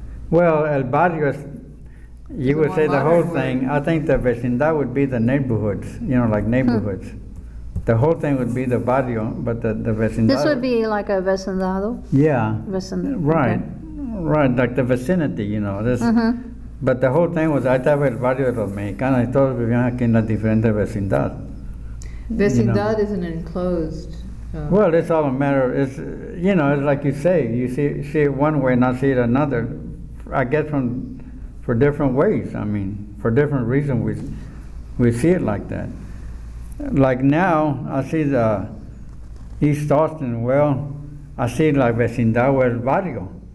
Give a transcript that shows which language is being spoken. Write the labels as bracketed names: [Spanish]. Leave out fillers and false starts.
[English] Well, el barrio is, you would say the whole thing. I think the vecindad would be the neighborhoods, you know, like neighborhoods. The whole thing would be the barrio, but the vecindad. This would be like a vecindado? Yeah. Vecindado. Right. Okay. Right, like the vicinity, you know. This. Mm-hmm. But the whole thing was, I thought [Spanish] el barrio de los mexicanos y todos vivían aquí en la diferente vecindad. [English] Vecindad is an enclosed. Well, it's all a matter of, it's, you know, it's like you say, you see it one way and not see it another. I guess for different ways, I mean, for different reasons we see it like that. Like now, I see the East Austin, well, I see La Vecindad or El Barrio.